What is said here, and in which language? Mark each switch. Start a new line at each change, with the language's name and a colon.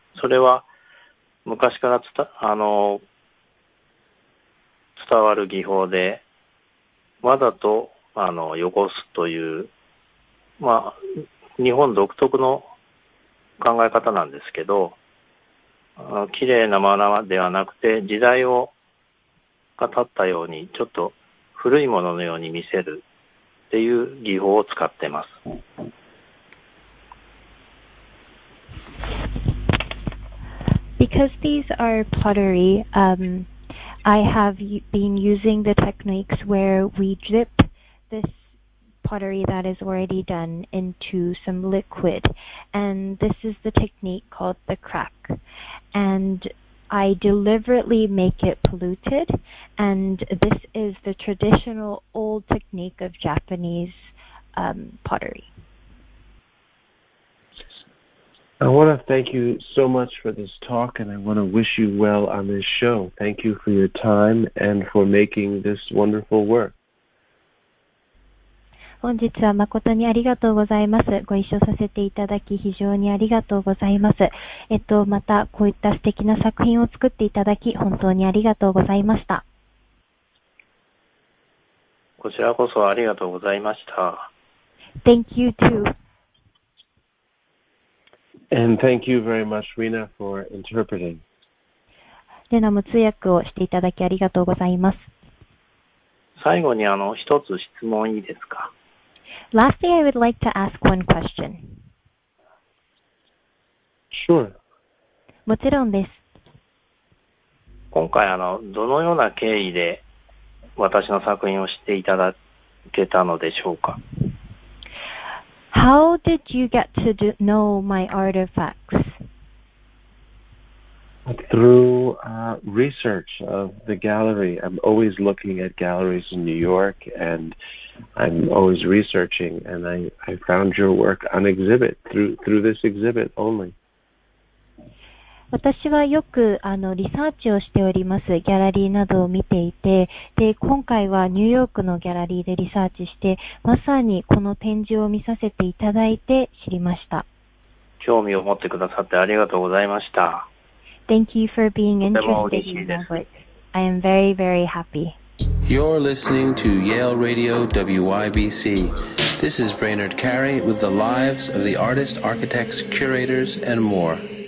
Japanese: それは昔から伝わる技法で、わざと汚すという、まあ日本独特の考え方なんですけど、綺麗なままではなくて、時代を経ったようにちょっと古いもののように見せるっていう技法を使ってます。
English: Because these are pottery, I have been using the techniques where we drip this pottery that is already done into some liquid, and this is the technique called the crack. And I deliberately make it polluted, and this is the traditional old technique of Japanese pottery. I want to thank you so much for this talk, and I want to wish you well on this show. Thank you for your time and for making this wonderful work.
Japanese: 本日は誠にありがとうございます。ご一緒させていただき非常にありがとうございます。またこういった素敵な作品を作っていただき本当にありがとうございました。こちらこそありがとうございました。
English: Thank you too. And thank you very much, Rina, for interpreting.
Japanese: レナも通訳をしていただきありがとうございます。最後に一つ質問いいですか?
English: Lastly, I would like to ask one question. Sure.
Japanese: もちろんです。今回どのような経緯で私の作品を知っていただけたのでしょうか?
English: How did you get to know my artifacts? Through research of the gallery. I'm always looking at galleries in New York, and I'm always researching, and I found your work on exhibit, through this exhibit only.
Japanese: 私はよくリサーチをしております。ギャラリーなどを見ていて、で、今回はニューヨークのギャラリーでリサーチして、まさにこの展示を見させていただいて知りました。興味を持ってくださってありがとうございました。
English: Thank you for being interested in my work. I am very, very happy. You're listening to Yale Radio WYBC. This is Brainerd Carey with the lives of the artists, architects, curators, and more.